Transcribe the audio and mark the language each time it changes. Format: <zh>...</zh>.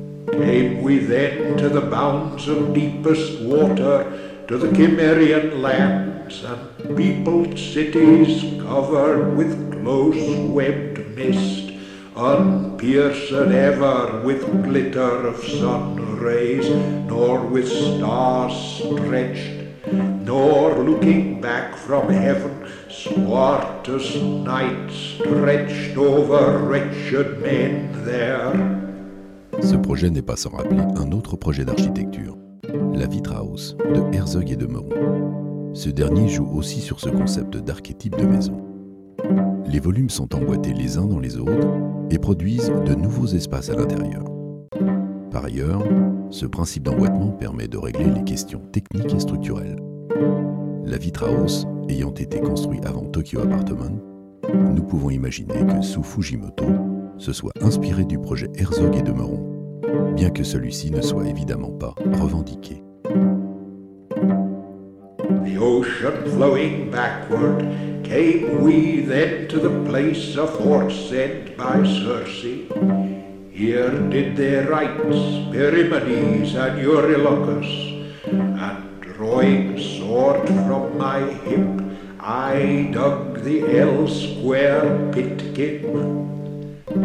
<en>came we then to the bounds of deepest water, to the Cimmerian lands and peopled cities covered with close-webbed mist, unpierced ever with glitter of sun rays, nor with stars stretched, nor looking back from heaven, swart as night stretched over wretched men there.</en> <fr>Ce projet n'est pas sans rappeler un autre projet d'architecture, la Vitre House de Herzog et de Meuron. Ce dernier joue aussi sur ce concept d'archétype de maison. Les volumes sont emboîtés les uns dans les autres et produisent de nouveaux espaces à l'intérieur. Par ailleurs, ce principe d'emboîtement permet de régler les questions techniques et structurelles. La Vitre House ayant été construite avant Tokyo Apartment, nous pouvons imaginer que Su Fujimoto se soit inspiré du projet Herzog et de Meuron, bien que celui-ci ne soit évidemment pas revendiqué.</fr> <en>The ocean flowing backward, came we then to the place aforesaid by Circe. Here did they write Perimedes and Eurylochus, and drawing sword from my hip, I dug the L-square pitkin.</en>